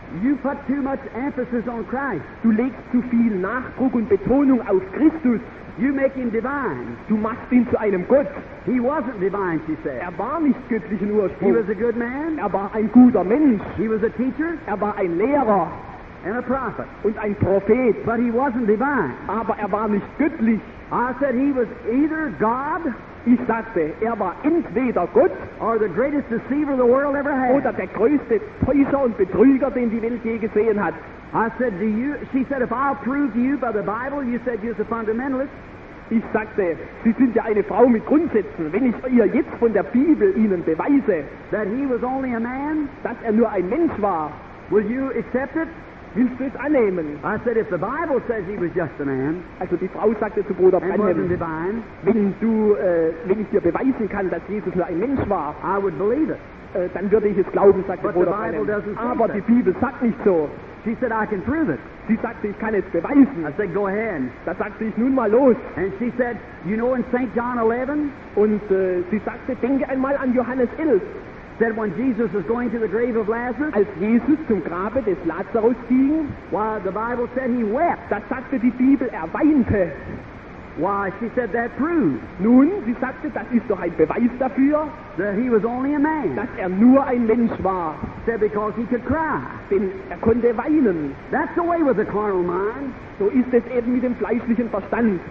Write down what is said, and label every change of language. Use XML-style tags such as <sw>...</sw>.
<en>you put too much emphasis on Christ.</en> <de>Du legst zu viel Nachdruck und Betonung auf Christus.</de> <en>You make him divine.</en> <de>Du machst ihn zu einem Gott.</de> <en>He wasn't divine, she said.</en> <de>Er war nicht göttlichen Ursprung.</de> <en>He was a good man.</en> <de>Er war ein guter Mensch.</de> <en>He was a teacher.</en> <de>Er war ein Lehrer.</de> <en>And a prophet.</en> <de>Und ein Prophet.</de> <en>But he wasn't divine.</en> <de>Aber er war nicht göttlich.</de> <en>I said he was either God.</en> <de>Ich sagte, er war entweder Gott,</de> <en>or the greatest deceiver the world ever had.</en> <de>Oder der größte Täuscher und Betrüger, den die Welt je gesehen hat.</de> <en>I said, do you? She said, if I'll prove to you by the Bible, you said you're a fundamentalist.</en> <de>Ich sagte, Sie sind ja eine Frau mit Grundsätzen. Wenn ich ihr jetzt von der Bibel Ihnen beweise,</de> <en>that he was only a man,</en> <de>dass er nur ein Mensch war,</de> <en>will you accept it?</en> <de>Willst du es annehmen?</de> <en>I said, if the Bible says he was just a man,</en> <de>also die Frau sagte zu Bruder Branham,</de> <en>and divine,</en> <de>wenn ich dir beweisen kann, dass Jesus nur ein Mensch war,</de> <en>I would believe it.</en> <de>Dann würde ich es glauben, sagte</de> <en>But</en> <de>Bruder</de> <en>the Bible</en> <de>Branham.</de> <en>Doesn't say</en> <de>Aber</de> <en>that.</en> <de>Die Bibel sagt nicht so.</de> <en>She said, I can prove it.</en> <de>Sie sagte, ich kann es beweisen.</de> <en>I said, go ahead.</en> <de>Da sagte ich, nun mal los.</de> <en>And she said, you know in St. John 11?</en> <de>Und sie sagte, denke einmal an Johannes 11.</de> <en>Said when Jesus was going to the grave of Lazarus,</en> <de>als Jesus zum Grabe des Lazarus ging,</de> <en>why the Bible said he wept.</en> <de>Da sagte die Bibel, er weinte.</de> <en>Why she said that proves.</en> <de>Nun, sie sagte, das ist doch ein Beweis dafür,</de> <en>that he was only a man.</en> <de>Dass er nur ein Mensch war.</de> <en>Said because he could cry.</en> <de>Denn er konnte weinen.</de> <en>That's the way with a carnal mind.</en> <de>So ist es eben mit dem fleischlichen Verstand.</de>